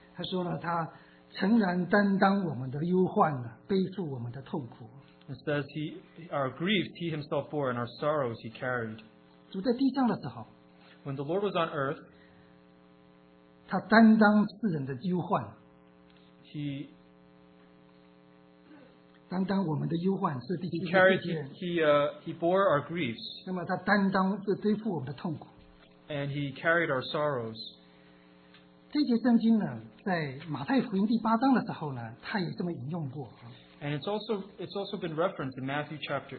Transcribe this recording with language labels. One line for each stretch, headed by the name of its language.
Chinese: 他说呢，他诚然担当我们的忧患，背负我们的痛苦。
English: It says he our griefs he himself bore and our sorrows he carried.
Chinese: 主在地上的时候。
English: When the Lord was on earth,
Chinese: 他担当世人的忧患, 担当我们的忧患, 是第七节,
English: he bore our griefs,
Chinese: 那么他担当是背负我们的痛苦,
English: and he carried our sorrows.
Chinese: 这节圣经呢, 在马太福音第八章的时候呢, 他也这么引用过,
English: and it's also been referenced in Matthew chapter